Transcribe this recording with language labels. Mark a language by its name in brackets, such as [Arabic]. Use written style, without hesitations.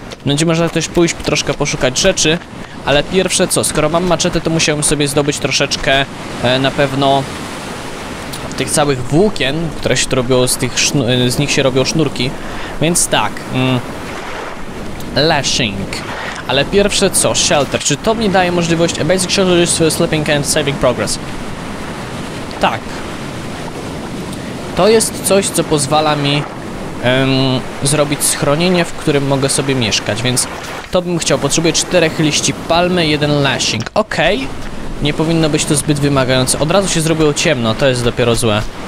[Polish] Będzie można też pójść troszkę poszukać rzeczy. Ale pierwsze co, skoro mam maczetę, to musiałem sobie zdobyć troszeczkę na pewno tych całych włókien, które się robią z tych z nich się robią sznurki. Więc tak, lashing. Ale pierwsze co, shelter. Czy to mi daje możliwość? [English] A basic shelter is sleeping and saving progress. [Polish] Tak. To jest coś, co pozwala mi zrobić schronienie, w którym mogę sobie mieszkać. Więc to bym chciał. Potrzebuję 4 liści palmy, 1 lashing. Okej. Nie powinno być to zbyt wymagające. Od razu się zrobiło ciemno, to jest dopiero złe.